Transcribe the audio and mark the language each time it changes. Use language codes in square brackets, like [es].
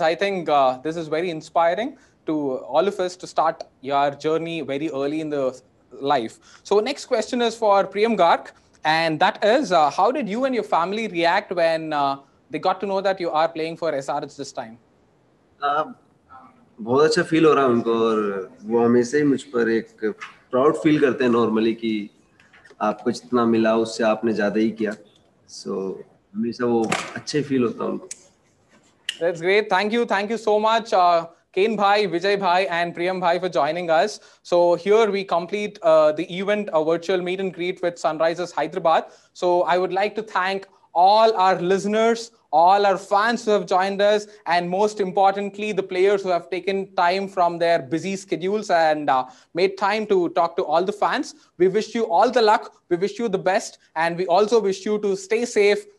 [en] I think this is very inspiring to all of us to start your journey very early in the life. So next question is for Priyam Garg. And that is, how did you and your family react when they got to know that you are playing for SRH this time? [hi] बहुत अच्छा feel हो रहा है उनको और वो हमेशा ही मुझ पर एक प्राउड फील करते हैं नॉर्मली कि आपको जितना मिला उससे आपने ज्यादा ही किया सो हमेशा वो अच्छे फील होता है उनको. [en] That's great. Thank you so much, Kane Bhai, Vijay Bhai, and Priyam Bhai for joining us. So here we complete the event, a virtual meet and greet with SunRisers Hyderabad. So I would like to thank all our listeners, all our fans who have joined us, and most importantly, the players who have taken time from their busy schedules and made time to talk to all the fans. We wish you all the luck. We wish you the best. And we also wish you to stay safe